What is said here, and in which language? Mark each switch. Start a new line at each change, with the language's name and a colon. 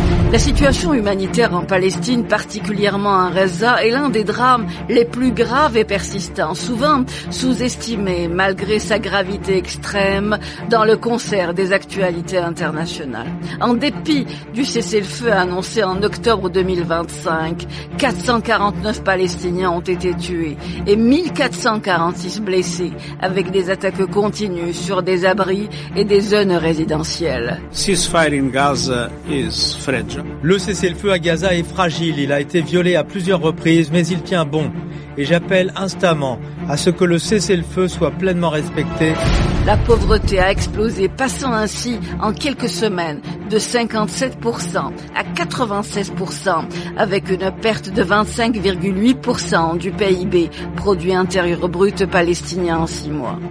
French: La situation humanitaire en Palestine, particulièrement en Gaza, est l'un des drames les plus graves et persistants, souvent sous-estimés malgré sa gravité extrême dans le concert des actualités internationales. En dépit du cessez-le-feu annoncé en octobre 2025, 449 Palestiniens ont été tués et 1446 blessés, avec des attaques continues sur des abris et des zones résidentielles.
English: Ceasefire in Gaza is fragile.
French: Le cessez-le-feu à Gaza est fragile, il a été violé à plusieurs reprises, mais il tient bon. Et j'appelle instamment à ce que le cessez-le-feu soit pleinement respecté. La pauvreté a explosé, passant ainsi en quelques semaines de 57% à 96%, avec une perte de 25,8% du PIB, produit intérieur brut palestinien, en 6 mois.